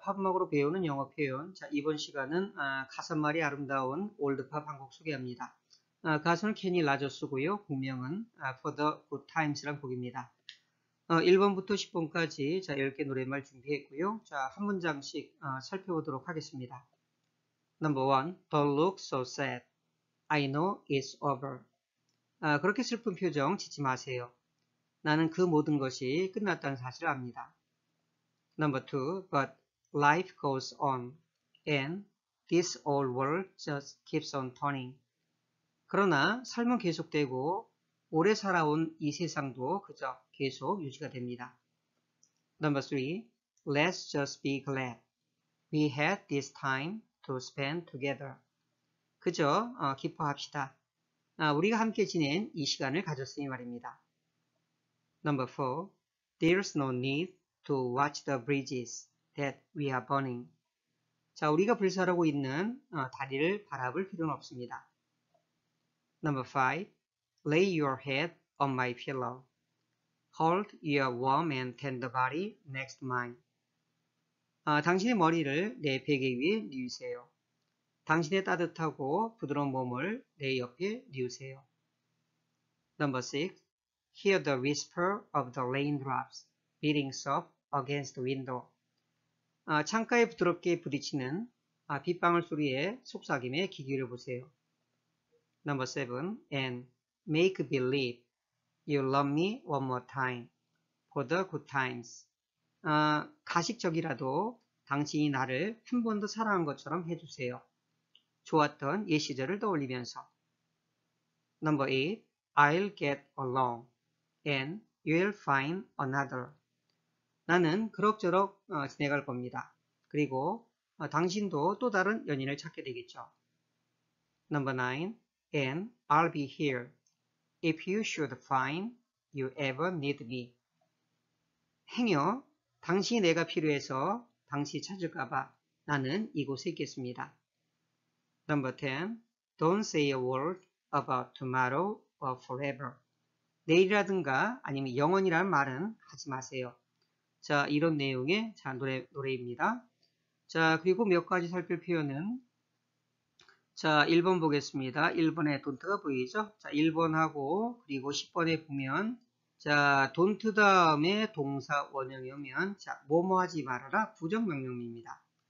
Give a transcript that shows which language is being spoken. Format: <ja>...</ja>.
<ko>팝음악으로 배우는 영어 표현. 자, 이번 시간은 가사말이 아름다운 올드팝 한곡 소개합니다. 가수는 케니 라저스고요. 곡명은 For the Good Times란 곡입니다. 1번부터 10번까지 자, 10개 노랫말 준비했고요. 자, 한 문장씩 살펴보도록 하겠습니다.</ko> <en>Number one, Don't look so sad. I know it's over.</en> <ko>그렇게 슬픈 표정 짓지 마세요. 나는 그 모든 것이 끝났다는 사실을 압니다.</ko> <en>Number two, but life goes on and this old world just keeps on turning.</en> <ko>그러나 삶은 계속되고 오래 살아온 이 세상도 그저 계속 유지가 됩니다.</ko> <en>Number three, let's just be glad we had this time to spend together.</en> <ko>그저 기뻐합시다. 우리가 함께 지낸 이 시간을 가졌으니 말입니다.</ko> <en>Number four, there's no need to watch the bridges that we are burning.</en> <ko>자, 우리가 불사르고 있는 다리를 바라볼 필요는 없습니다.</ko> <en>Number five, lay your head on my pillow. Hold your warm and tender body next to mine.</en> <ko>당신의 머리를 내 베개 위에 뉘우세요. 당신의 따뜻하고 부드러운 몸을 내 옆에 뉘우세요.</ko> <en>Number six, hear the whisper of the raindrops beating soft against the window.</en> <ko>창가에 부드럽게 부딪히는 빗방울 소리에 속삭임에 귀 기울여 보세요.</ko> <en>Number seven, and make believe you love me one more time for the good times.</en> <ko>가식적이라도 당신이 나를 한번더 사랑한 것처럼 해주세요. 좋았던 옛 시절을 떠올리면서.</ko> <en>Number eight, I'll get along and you'll find another.</en> <ko>나는 그럭저럭 지내갈 겁니다. 그리고 당신도 또 다른 연인을 찾게 되겠죠.</ko> <en>Number nine, and I'll be here if you should find you ever need me.</en> <ko>행여 당신이 내가 필요해서 당신이 찾을까봐 나는 이곳에 있겠습니다.</ko> <en>Number ten, don't say a word about tomorrow or forever.</en> <ko>내일이라든가 아니면 영원이라는 말은 하지 마세요. 자, 이런 내용의 자, 노래입니다. 자, 그리고 몇 가지 살펴볼 표현은 자, 1번 보겠습니다. 1번에 don't가 보이죠? 자, 1번하고 그리고 10번에 보면 자, don't 다음에 동사 원형이면 자, 뭐뭐 하지 말아라 부정명령입니다.</ko>